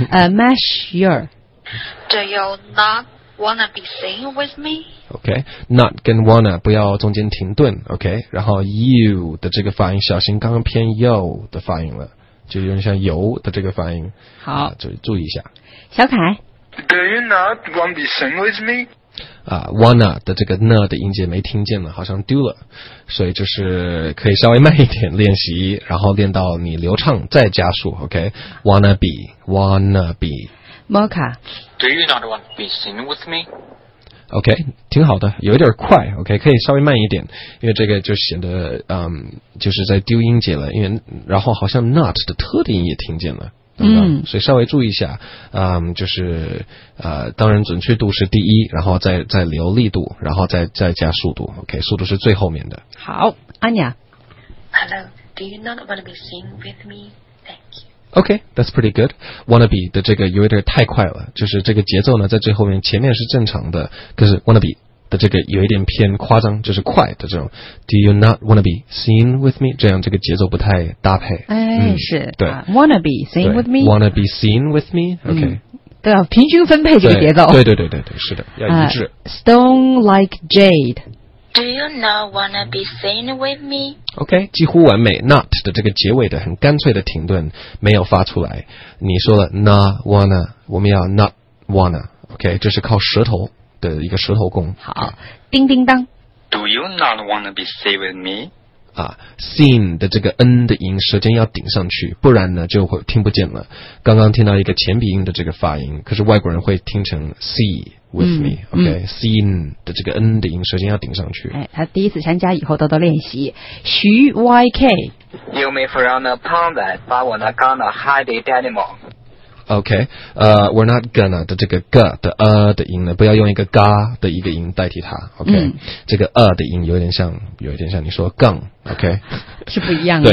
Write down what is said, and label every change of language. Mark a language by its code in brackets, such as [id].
[en] Mash your. Do you not? Wanna be seen with me? [zh] Okay, not 跟 wanna 不要中间停顿 ，Okay. 然后 you 的这个发音小心，刚刚偏 yo 的发音了，就有点像油的这个发音。好，就注意一下。小凯 [en] ，Do you not wanna be seen with me? [zh] 啊 ，wanna 的这个 na 的音节没听见了，好像丢了，所以就是可以稍微慢一点练习，然后练到你流畅再加速 ，Okay. [en] Wanna be, wanna be. Mocha. Do you not want to be seen with me? [zh] OK, 挺好的，有点快 ，OK, 可以稍微慢一点，因为这个就显得就是在丢音节了，因为然后好像 not 的特定也听见了。嗯，所以稍微注意一下，就是当然准确度是第一，然后再流利度，然后再加速度 ，OK, 速度是最后面的。好，安雅。 [en] Hello, do you not want to be seen with me? Thank you. OK, that's pretty good. [zh] Wanna be 的这个有点太快了，就是这个节奏呢，在最后面前面是正常的，可是 wanna be 的这个有一点偏夸张，就是快的这种。 [en] Do you not wanna be seen with me? [zh] 这样这个节奏不太搭配。哎，嗯、是对、 [en] wanna be seen with me? Wanna be seen with me? OK、嗯。 [zh] 对啊，平均分配这个节奏。对对对对对，是的，要一致。 [en] Stone like jade. Do you not wanna be seen with me? [zh] OK, 几乎完美 Not 的这个结尾的很干脆的停顿没有发出来你说了 [en] not wanna [zh] 我们要 not wanna OK, 这是靠舌头的一个舌头功好叮叮当 [en] Do you not wanna be seen with me? [zh] 啊 Seen 的这个 N 的音舌尖要顶上去不然呢就会听不见了刚刚听到一个前鼻音的这个发音可是外国人会听成 see [en] With me, okay. [zh] Seen 的这个 N 的音，首先要顶上去。哎，他第一次参加以后多多练习。徐 YK, [en] You may fall on a pond, but we're not gonna hide it anymore. Okay, we're not gonna [zh] 的这个 g 的 的音呢，不要用一个 ga 的一个音代替它。 Okay,这个 的音有点像你说 gang, okay, 是不一样的。